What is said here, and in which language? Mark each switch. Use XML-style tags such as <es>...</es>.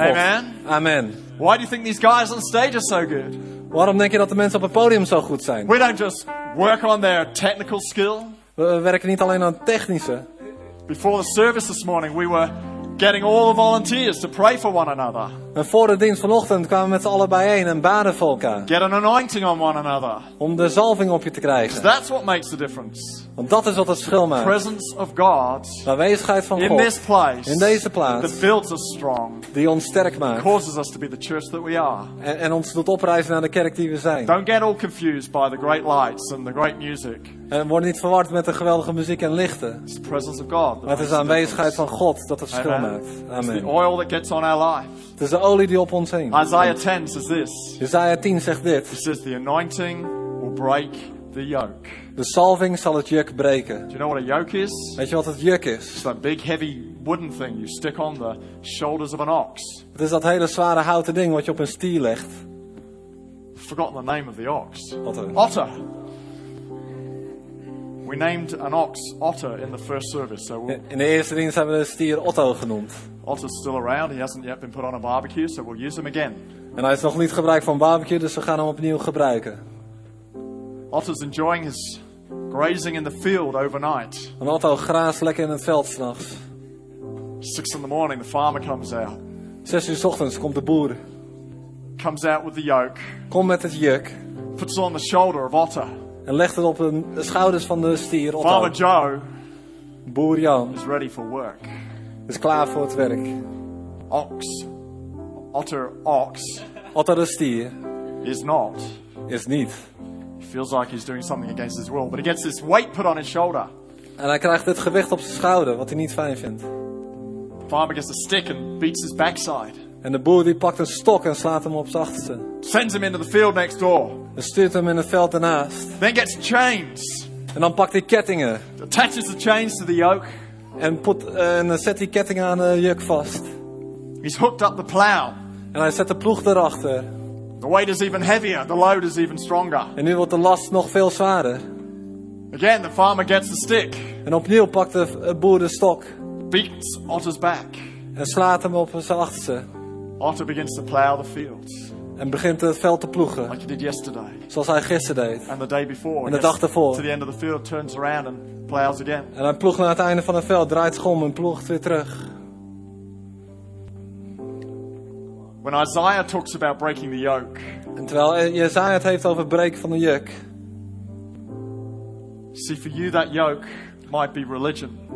<en>Amen. Amen. Why do you think these guys on stage are so good?</en> <nl>Waarom denk je dat de mensen op het podium zo goed zijn?</nl> <en>We don't just work on their technical skill.</en> <nl>We werken niet alleen aan het technische.</nl> <en>Before the service this morning, we were getting all the volunteers to pray for one another.</en> <nl>En voor de dienst vanochtend kwamen we met z'n allen bijeen en baden voor elkaar.</nl> <en>Get an anointing on one another.</en> <nl>Om de zalving op je te krijgen.</nl> <en>Because that's what makes the difference.</en> <nl>Want dat is wat het verschil maakt.</nl> <en>The presence of God.</en> <nl>De aanwezigheid van God.</nl> <en>In this place.</en> <nl>In deze plaats.</nl> <en>That builds us strong.</en> <nl>Die ons sterk maakt.</nl> <en>Causes us to be the church that we are.</en> <nl>En ons doet opreizen naar de kerk die we zijn.</nl> <en>Don't get all confused by the great lights and the great music.</en> <nl>En word niet verward met de geweldige muziek en lichten.</nl> <en>It's the presence of God.</en> <nl>Maar het is de aanwezigheid van God dat het verschil maakt. Amen.</nl> <en>It's the oil that gets on our life.</en> <nl>Het is de olie die op ons heen.</nl> <en>Isaiah 10 says this.</en> <nl>Isaiah 10 zegt dit.</nl> <en>It says the anointing will break the yoke.</en> <nl>De salving zal het juk breken.</nl> <en>Do you know what a yoke is?</en> <nl>Weet je wat het juk is?</nl> <en>It's that big heavy wooden thing you stick on the shoulders of an ox.</en> <nl>Het is dat hele zware houten ding wat je op een stier legt.</nl> <en>I've forgotten the name of the ox. Otter. Otter. We named an ox Otter in the first service. So</en> <nl>in de eerste dienst hebben we de stier Otto genoemd.</nl> <en>Otter's still around. He hasn't yet been put on a barbecue, so we'll use him again.</en> <nl>En hij is nog niet gebruikt voor een barbecue, dus we gaan hem opnieuw gebruiken.</nl> <en>Otter's enjoying his grazing in the field overnight.</en> <nl>En Otto graast lekker in het veld 's nachts.</nl> <en>6 in the morning, the farmer comes out.</en> <nl>6 uur 's ochtends komt de boer.</nl> <en>Comes out with the yoke.</en> <nl>Komt met het juk.</nl> <en>Puts on the shoulder of Otter.</en> <nl>En legt het op de schouders van de stier Otto.</nl> <en>Farmer Joe.</en> <nl>Boer Jan.</nl> <en>Is ready for work.</en> <nl>Is klaar voor het werk.</nl> <en>Ox. Otter ox.</en> <nl>Otter de stier.</nl> <en>Is not.</en> <nl>Is niet.</nl> <en>Feels like he's doing something against his will, but he gets this weight put on his shoulder.</en> <nl>En hij krijgt dit gewicht op zijn schouder, wat hij niet fijn vindt.</nl> <en>The farmer gets a stick and beats his backside.</en> <nl>En de boer die pakt een stok en slaat hem op zijn achterste.</nl> <en>Sends him into the field next door.</en> <nl>En stuurt hem in het veld ernaast.</nl> <en>Then gets chains.</en> <nl>En dan pakt hij kettingen.</nl> <en>Attaches the chains to the yoke.</en> <nl>En zet die kettingen aan de juk vast.</nl> <en>He's hooked up the plow.</en> <nl>En hij zet de ploeg erachter.</nl> <en>The weight is even heavier, the load is even stronger.</en> <nl>En nu wordt de last nog veel zwaarder.</nl> <en>Again, the farmer gets the stick.</en> <nl>En opnieuw pakt de boer de stok.</nl> <en>Beats Otter's back.</en> <nl>En slaat hem op zijn achterste.</nl> <en>Otter begins to plow the fields.</en> <nl>En begint het veld te ploegen.</nl> <en>Like he did yesterday.</en> <nl>Zoals hij gisteren deed.</nl> <en>And the day before.</en> <nl>En de dag ervoor.</nl> <en>To the end of the field, turns around and plows again.</en> <nl>En hij ploegt naar het einde van het veld, draait zich om en ploegt weer terug.</nl> <en>When Isaiah talks about breaking the yoke.</en> <nl>En terwijl Isaiah het heeft over breken van de juk.</nl> <en>See, for you that yoke might be religion.</en>